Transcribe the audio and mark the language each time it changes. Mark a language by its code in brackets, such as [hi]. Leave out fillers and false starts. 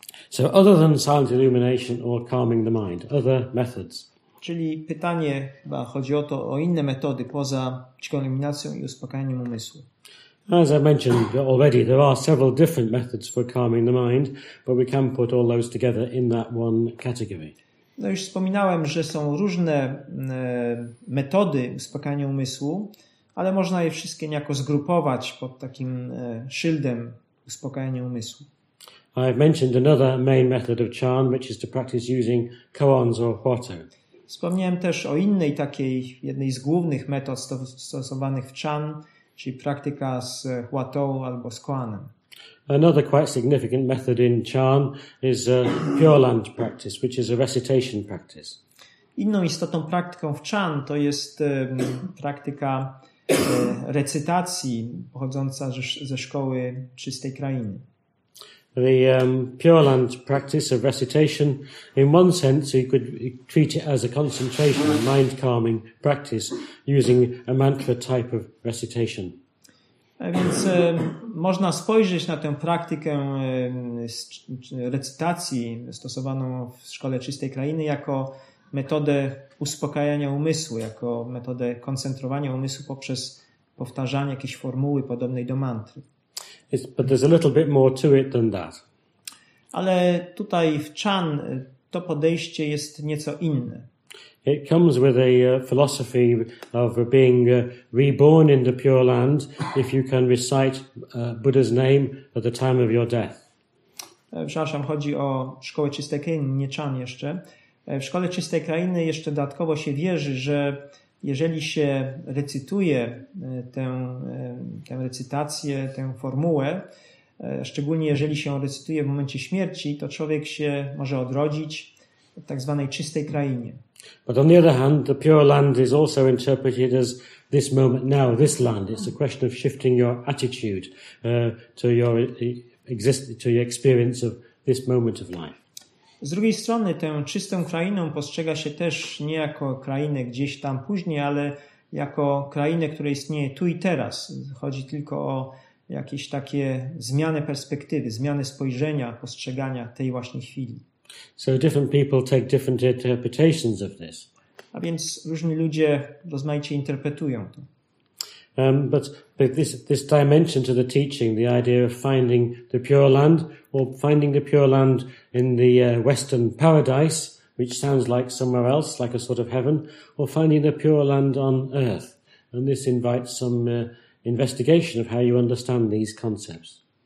[en] So other than silent illumination or calming the mind, other methods. [pl] Czyli pytanie chyba chodzi o to, o inne metody poza cichą iluminacją i uspokajaniem umysłu. [en] As I mentioned already, there are several different methods for calming the mind, but we can put all those together in that one category. [pl] No już wspominałem, że są różne metody uspokajania umysłu, ale można je wszystkie niejako zgrupować pod takim szyldem uspokajania umysłu. [en] I've mentioned another main method of chan, which is to practice using koans or huatou. [pl] Wspomniałem też o innej takiej, jednej z głównych metod stosowanych w chan, czyli praktyka z huatou albo z koanem. [en] Another quite significant method in chan is Pure Land practice, which is a recitation practice. [pl] Inną istotną praktyką w chan to jest praktyka recytacji pochodząca ze szkoły czystej krainy. [en] The Pure Land practice of recitation, in one sense, you could treat it as a concentration, a mind calming practice using a mantra type of recitation. [pl] A więc można spojrzeć na tę praktykę recytacji stosowaną w szkole czystej krainy jako metodę uspokajania umysłu, jako metodę koncentrowania umysłu poprzez powtarzanie jakiejś formuły podobnej do mantry. [en] But there's a little bit more to it than that. [pl] Ale tutaj w chan to podejście jest nieco inne. [en] It comes with a philosophy of being reborn in the Pure Land if you can recite Buddha's name at the time of your death. [pl] Przepraszam, chodzi o szkołę czystej krainy, nie chan jeszcze. W szkole czystej krainy jeszcze dodatkowo się wierzy, że jeżeli się recytuje tę recytację, tę formułę, Szczególnie jeżeli się recytuje w momencie śmierci, to człowiek się może odrodzić w tak zwanej czystej krainie. [en] But on the other hand, the pure land is also interpreted as this moment now, this land. It's a question of shifting your attitude to your experience of this moment of life. [pl] Z drugiej strony tę czystą krainą postrzega się też nie jako krainę gdzieś tam później, ale jako krainę, która istnieje tu i teraz. Chodzi tylko o jakieś takie zmiany perspektywy, zmiany spojrzenia, postrzegania tej właśnie chwili. [en] So different people take different interpretations of this. [pl] A więc różni ludzie rozmaicie interpretują to. [en] But this dimension to the teaching, the idea of finding the pure land or finding the pure land in the Western paradise, which sounds like somewhere else, like a sort of heaven, or finding the pure land on earth. And this invites some investigation of how you understand these concepts.